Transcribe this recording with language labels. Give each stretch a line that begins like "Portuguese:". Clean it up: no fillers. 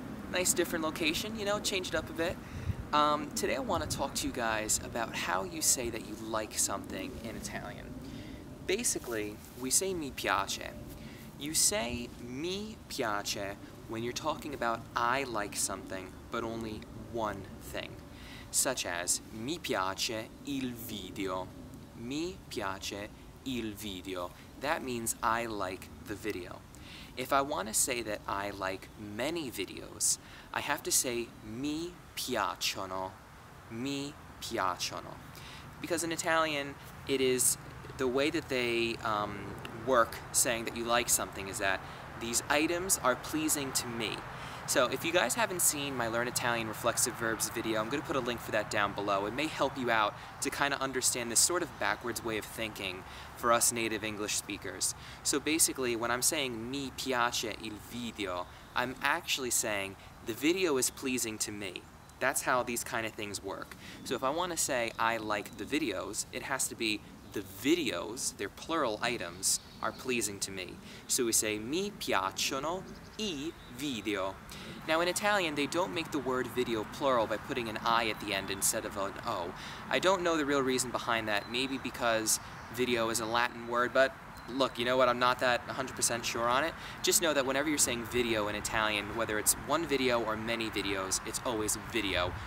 English: Nice different location, you know, change it up a bit. Today I want to talk to you guys about how you say that you like something in Italian. Basically, we say
Italian: mi piace.
English: You say mi piace when you're talking about I like something, but only one thing. Such as,
Italian: mi piace il video. Mi piace il video.
English: That means I like the video. If I want to say that I like many videos, I have to say
Italian: mi piacciono. Mi piacciono.
English: Because in Italian, it is the way that they work saying that you like something is that these items are pleasing to me. So if you guys haven't seen my Learn Italian Reflexive Verbs video, I'm going to put a link for that down below. It may help you out to kind of understand this sort of backwards way of thinking for us native English speakers. So basically, when I'm saying
Italian: mi piace il video,
English: I'm actually saying the video is pleasing to me. That's how these kind of things work. So if I want to say I like the videos, it has to be the videos, their plural items, are pleasing to me. So we say
Italian: mi piacciono I video.
English: Now in Italian, they don't make the word video plural by putting an I at the end instead of an O. I don't know the real reason behind that. Maybe because video is a Latin word, but look, you know what? I'm not that 100% sure on it. Just know that whenever you're saying video in Italian, whether it's one video or many videos, it's always video.